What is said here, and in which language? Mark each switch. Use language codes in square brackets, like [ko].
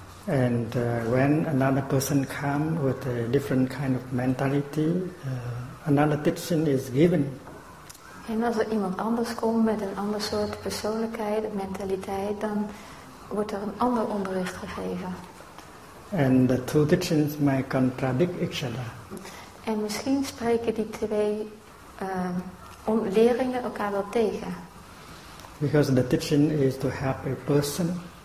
[en] And when another person comes with a different kind of mentality, another teaching is given. [nl] En als er iemand anders komt met een ander soort persoonlijkheid, mentaliteit, dan wordt er een ander onderricht gegeven. [en] And the two teachings may contradict each other. [nl] En misschien spreken die twee leringen elkaar wel tegen. [en] Because the teaching is to help a person.